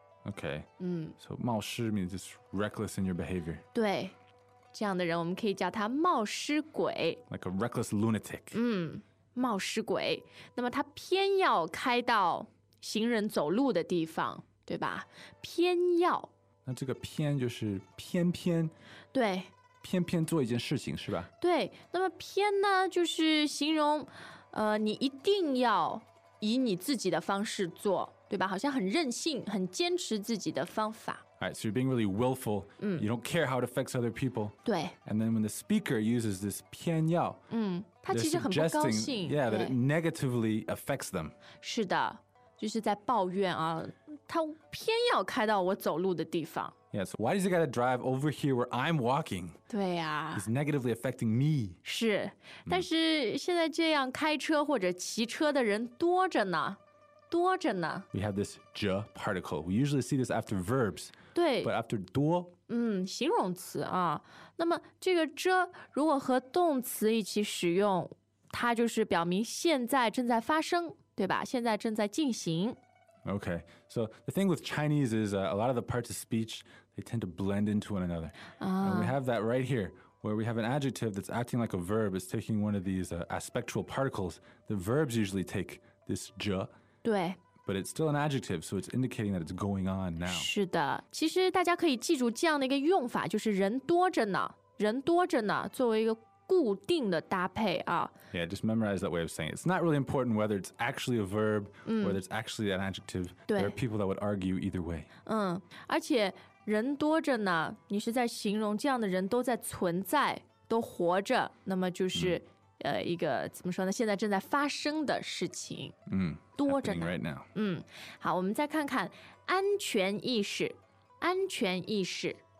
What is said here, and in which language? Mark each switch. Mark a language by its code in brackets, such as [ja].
[en] OK， So 冒失 means it's reckless in your behavior。 [zh] 对，这样的人我们可以叫他冒失鬼。 [en] Like a reckless lunatic。 [zh] 冒失鬼，那么他偏要开到行人走路的地方，对吧？偏要，那这个偏就是偏偏，对，偏偏做一件事情是吧？对，那么偏呢，就是形容，你一定要以你自己的方式做，对吧？好像很任性，很坚持自己的方法。 [en] Alright, so you're being really willful. You don't care how it affects other people. [zh] 对。 [en] And then when the speaker uses this 偏要， [zh] 他其实很不高兴。 [en] Yeah, that it negatively affects them. [zh] 是的，就是在抱怨啊，他偏要开到我走路的地方。 [en] Yes, why does he got to drive over here where I'm walking? [zh] 对啊。 [en] He's negatively affecting me. [zh] 是，但是现在这样开车或者骑车的人多着呢。多着呢。 [en] We have this 者 particle. We usually see this after verbs. [zh] 对。 [en] But after 多。 [zh] 形容词啊。那么这个者如果和动词一起使用，它就是表明现在正在发生，对吧？现在正在进行。 [en] Okay. So the thing with Chinese is a lot of the parts of speech, they tend to blend into one another. And we have that right here, where we have an adjective that's acting like a verb. It's taking one of these aspectual particles. The verbs usually take this 者。 [zh] 对, [en] but it's still an adjective, so it's indicating that it's going on now. [zh] 是的，其实大家可以记住这样的一个用法，就是人多着呢，人多着呢，作为一个固定的搭配啊。 [en] Yeah, just memorize that way of saying it. It's not really important whether it's actually a verb, whether it's actually an adjective. [zh] 对, [en] there are people that would argue either way. [zh] 而且人多着呢，你是在形容这样的人都在存在，都活着，那么就是一个怎么说呢？现在正在发生的事情，多着呢。 [en] Right now. [zh] 好，我们再看看安全意识，安全意识